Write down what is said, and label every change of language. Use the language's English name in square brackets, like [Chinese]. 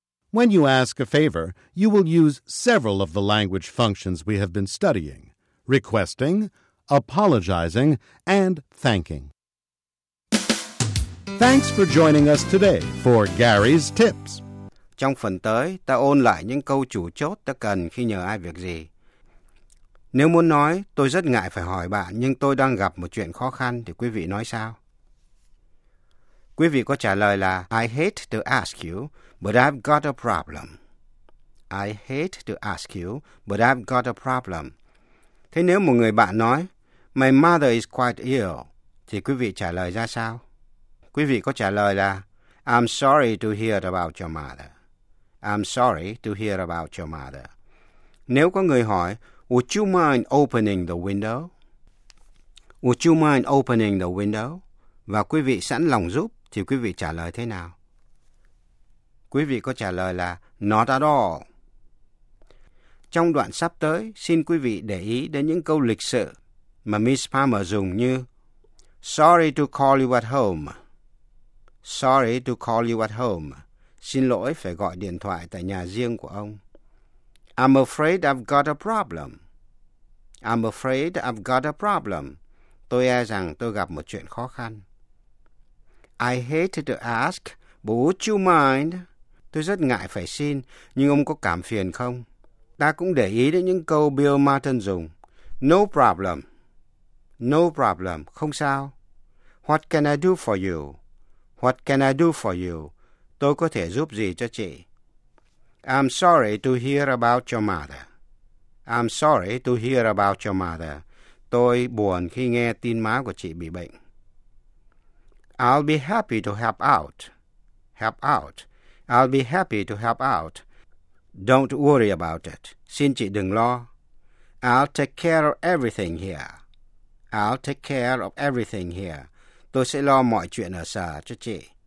[English] When you ask a favor, you will use several of the language functions we have been studying, requesting, apologizing, and thanking. Thanks for joining us today for Gary's Tips. [Vietnamese] Trong phần tới, ta ôn lại những câu chủ chốt ta cần khi nhờ ai việc gì. Nếu muốn nói, tôi rất ngại phải hỏi bạn, nhưng tôi đang gặp một chuyện khó khăn, thì quý vị nói sao? Quý vị có trả lời là [English] I hate to ask you, but I've got a problem. I hate to ask you, but I've got a problem. [Vietnamese] Thế nếu một người bạn nói [English] My mother is quite ill, [Vietnamese] thì quý vị trả lời ra sao? Quý vị có trả lời là [English] I'm sorry to hear about your mother. I'm sorry to hear about your mother. [Vietnamese] Nếu có người hỏi, [English] would you mind opening the window? Would you mind opening the window? [Vietnamese] Và quý vị sẵn lòng giúp, thì quý vị trả lời thế nào? Quý vị có trả lời là [English] not at all. [Vietnamese] Trong đoạn sắp tới, xin quý vị để ý đến những câu lịch sự mà Miss Palmer dùng như [English] sorry to call you at home. Sorry to call you at home. [Vietnamese] Xin lỗi phải gọi điện thoại tại nhà riêng của ông. [English] I'm afraid I've got a problem. I'm afraid I've got a problem. [Vietnamese] Tôi e rằng tôi gặp một chuyện khó khăn. [English] I hate to ask, but would you mind? [Vietnamese] Tôi rất ngại phải xin, nhưng ông có cảm phiền không? Ta cũng để ý đến những câu Bill Martin dùng. [English] No problem. No problem. [Vietnamese] Không sao. [English] What can I do for you? What can I do for you? [Vietnamese] Tôi có thể giúp gì cho chị? [English] I'm sorry to hear about your mother. I'm sorry to hear about your mother. [Vietnamese] Tôi buồn khi nghe tin má của chị bị bệnh. [English] I'll be happy to help out. Help out. I'll be happy to help out. Don't worry about it. [Vietnamese] Xin chị đừng lo. [English] I'll take care of everything here. I'll take care of everything here. [Vietnamese] Tôi sẽ lo mọi chuyện ở sở cho chị.